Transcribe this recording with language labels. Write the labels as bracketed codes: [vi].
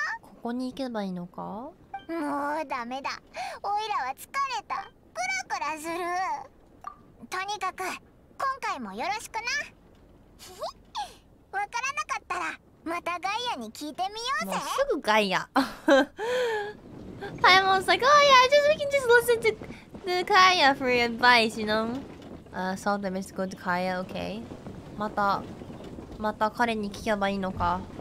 [ja] ここに行けばいいのか。もうダメだ。オイラは疲れた。クラクラする。とにかく今回もよろしくな。わからなかったらまたガイアに聞いてみようぜ。もうすぐガイア。 [en] パイモンさん、ガイア、we can just listen to the Kaya for advice, you know. So let me just go to Kaya, okay. [ja] また。また彼に聞けばいいのか。